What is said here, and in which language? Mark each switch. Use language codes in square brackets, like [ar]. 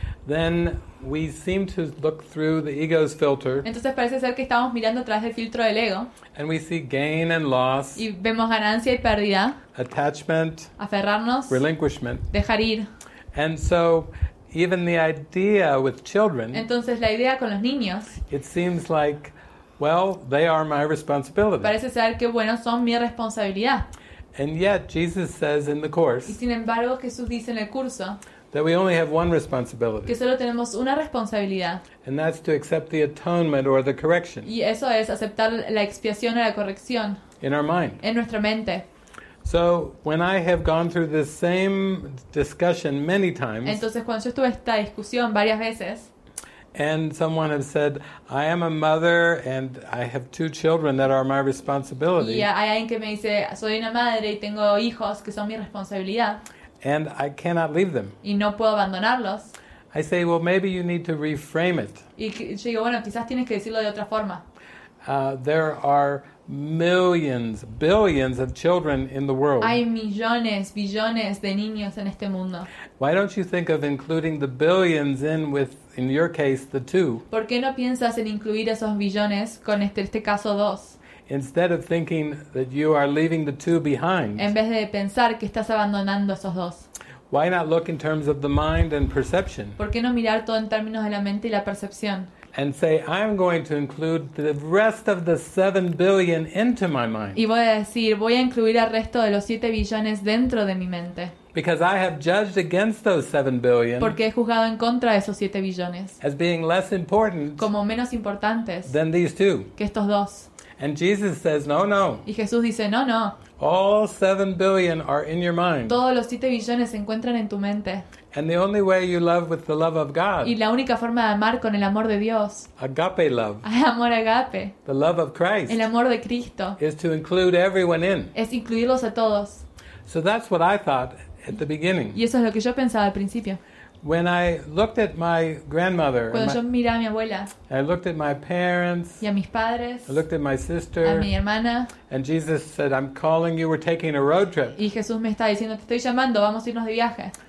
[en] then we seem to look through the ego's filter. [es] Entonces parece ser que estamos mirando a través del filtro del ego. [en] And we see gain and loss. [es] Y vemos ganancia y pérdida. [en] Attachment. [es] Aferrarnos. [en] Relinquishment. [es] Dejar ir. [en] And so even the idea with children. [es] Entonces la idea con los niños. [en] It seems like, well, they are my responsibility. [es] Parece ser que bueno, son mi responsabilidad. [en] And yet Jesus says in the course. [es] Y sin embargo, Jesús dice en el curso. [en] That we only have one responsibility. [es] Que solo tenemos una responsabilidad. [en] And that's to accept the atonement or the correction. [es] Y eso es aceptar la expiación o la corrección. [en] In our mind. [es] En nuestra mente. [en] So, when I have gone through this same discussion many times. [es] Entonces cuando yo estuve esta discusión varias veces. [en] And someone has said, "I am a mother, and I have two children that are my responsibility." [es] Y hay alguien que me dice, "Soy una madre y tengo hijos que son mi responsabilidad." [en] And I cannot leave them. [es] Y no puedo abandonarlos. [en] I say, "Well, maybe you need to reframe it." [es] Y yo digo, bueno, quizás tienes que decirlo de otra forma. [en] There are millions, billions of children in the world. [es] Hay millones, billones de niños en este mundo. [en] Why don't you think of including the billions in with, in your case, the two? [es] ¿Por qué no piensas en incluir esos billones con este caso dos? [en] Instead of thinking that you are leaving the two behind. [es] En vez de pensar que estás abandonando esos dos. [en] Why not look in terms of the mind and perception? [es] ¿Por qué no mirar todo en términos de la mente y la percepción? [en] And say, I'm going to include the rest of the 7 billion into my mind. [es] Y voy a decir, voy a incluir al resto de los 7 billones dentro de mi mente. [en] Because I have judged against those 7 billion. [es] Porque he juzgado en contra de esos 7 billones. [en] As being less important. [es] Como menos importantes. [en] Than these two. [es] Que estos dos. [en] And Jesus says, no, no. [es] Y Jesús dice, no, no. [en] All 7 billion are in your mind. [es] Todos los 7 billones se encuentran en tu mente. [en] And the only way you love with the love of God. [es] Y la única forma de amar con el amor de Dios. [en] Agape love. [es] Amor agape. [en] The love of Christ. [es] El amor de Cristo. [en] Is to include everyone in. [es] Es incluirlos a todos. [en] So that's what I thought at the beginning. [es] Y eso es lo que yo pensaba al principio. [en] When I looked at my grandmother, [es] cuando yo miré a mi abuela, [en] I looked at my parents, [es] y a mis padres, [en] I looked at my sister, [es] a mi hermana, [en] and Jesus said, I'm calling you, we're taking a road trip. [es] Y Jesús me está diciendo, te estoy llamando, vamos a irnos de viaje.